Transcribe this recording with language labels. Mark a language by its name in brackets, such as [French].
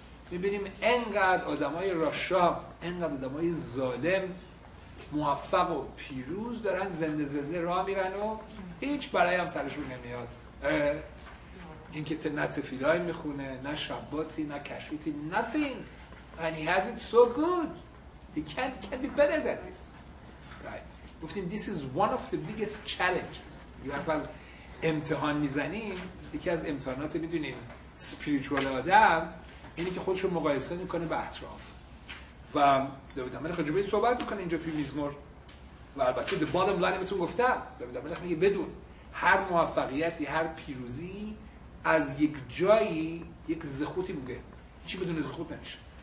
[Persian] میبینیم انقدر آدمای رشا، انقدر آدمای ظالم موفق و پیروز دارن زنده زنده راه میرن و هیچ برای هم سرشون نمیاد. این که نه تفیلای میخونه، نه شباتی، نه کشفیتی، nothing. [English] And he has it so good. He can't be better than this. Right. [Persian] گفتیم [English] this is one of the biggest challenges. [Persian] یه وقت از امتحان میزنیم، یکی از امتحانات میدونین spiritual آدم اینه که خودشو مقایسه میکنه به اطراف. و داوود الملک خجبه صحبت میکنه اینجا توی مزمور. و البته [English] the bottom line [Persian] بهتون گفتم، داوود الملک میگه بدون هر موفقیتی، هر پیروزی از یک جایی یک زخوتی بوده، چی بدون زخوت نمیشه.